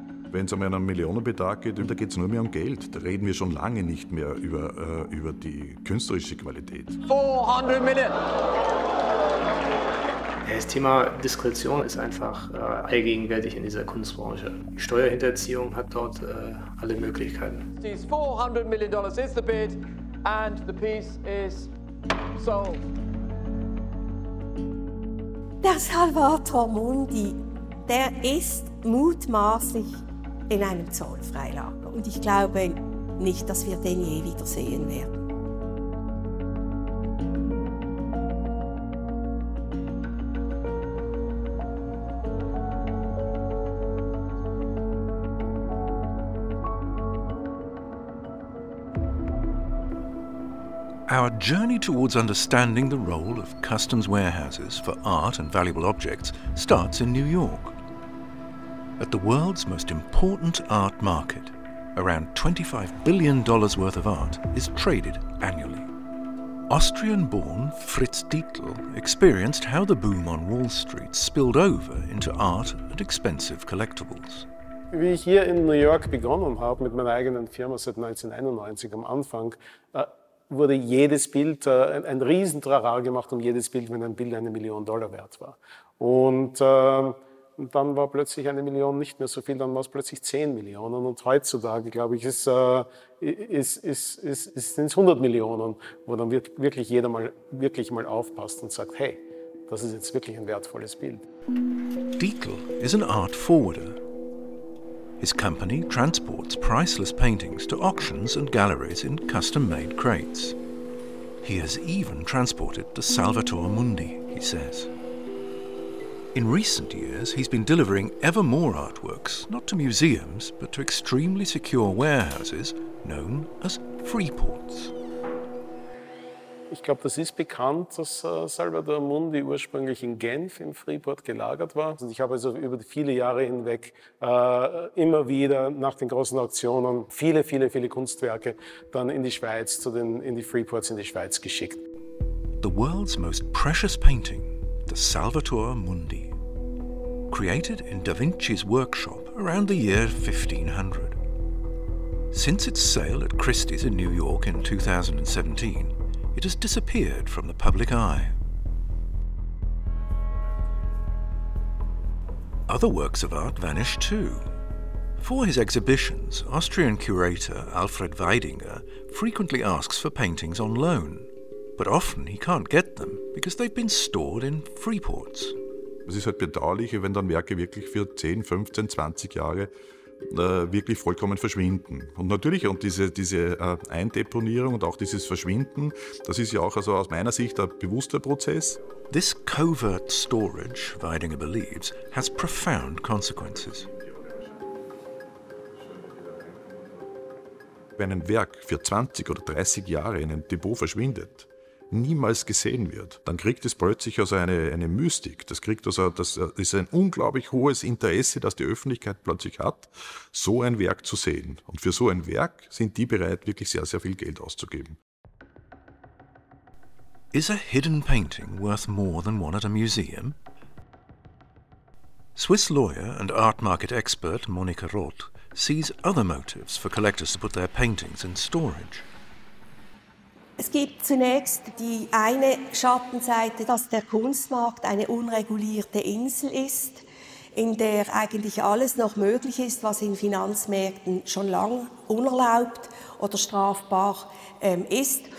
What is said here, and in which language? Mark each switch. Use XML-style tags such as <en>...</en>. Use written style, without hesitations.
<de>Wenn es um einen Millionenbetrag geht, da geht es nur mehr um Geld. Da reden wir schon lange nicht mehr über, über die künstlerische Qualität. 400 Millionen! Das Thema Diskretion ist einfach allgegenwärtig in dieser Kunstbranche. Steuerhinterziehung hat dort alle Möglichkeiten.</de> <en>These $400 million is the bid and the piece is sold.</en> <de>Der Salvator Mundi, der ist mutmaßlich in einem Zollfreilager. Und ich glaube nicht, dass wir den je wiedersehen werden.</de> <en>Our journey towards understanding the role of customs warehouses for art and valuable objects starts in New York. At the world's most important art market, around $25 billion worth of art is traded annually. Austrian-born Fritz Dietl experienced how the boom on Wall Street spilled over into art and expensive collectibles.</en> <de>Wie ich hier in New York begonnen habe mit meiner eigenen Firma seit 1991 am Anfang, wurde jedes Bild ein Riesentrara gemacht um jedes Bild, wenn ein Bild eine Million Dollar wert war. Und dann war plötzlich eine Million nicht mehr so viel, dann war es plötzlich 10 Millionen. Und heutzutage, glaube ich, sind es 100 Millionen, wo dann wirklich jeder mal wirklich mal aufpasst und sagt, hey, das ist jetzt wirklich ein wertvolles Bild.</de> <en>Dietl is an art forwarder. His company transports priceless paintings to auctions and galleries in custom-made crates. He has even transported the Salvator Mundi, he says. In recent years, he's been delivering ever more artworks, not to museums, but to extremely secure warehouses known as Freeports.</en> <de>Ich glaube, das ist bekannt, dass Salvator Mundi ursprünglich in Genf im Freeport gelagert war. Und ich habe also über viele Jahre hinweg immer wieder nach den großen Auktionen viele, viele, viele Kunstwerke dann in die Schweiz, in die Freeports in die Schweiz geschickt.</de> <en>The world's most precious painting, the Salvator Mundi. Created in Da Vinci's workshop around the year 1500. Since its sale at Christie's in New York in 2017, it has disappeared from the public eye. Other works of art vanish too. For his exhibitions, Austrian curator Alfred Weidinger frequently asks for paintings on loan, but often he can't get them because they've been stored in Freeports.</en> <de>Es ist halt bedauerlich, wenn dann Werke wirklich für 10, 15, 20 Jahre wirklich vollkommen verschwinden. Und natürlich, und diese Eindeponierung und auch dieses Verschwinden, das ist ja auch also aus meiner Sicht ein bewusster Prozess.</de> <en>This covert storage, Weidinger believes, has profound consequences.</en> <de>Wenn ein Werk für 20 oder 30 Jahre in ein Depot verschwindet, niemals gesehen wird, dann kriegt es plötzlich also eine Mystik. Das ist ein unglaublich hohes Interesse, das die Öffentlichkeit plötzlich hat, so ein Werk zu sehen. Und für so ein Werk sind die bereit, wirklich sehr, sehr viel Geld auszugeben.</de> <en>Is a hidden painting worth more than one at a museum? Swiss lawyer and art market expert Monica Roth sees other motives for collectors to put their paintings in storage.</en> <de>Es gibt zunächst die eine Schattenseite, dass der Kunstmarkt eine unregulierte Insel ist, in der eigentlich alles noch möglich ist, was in Finanzmärkten schon lang unerlaubt oder strafbar ist.</de>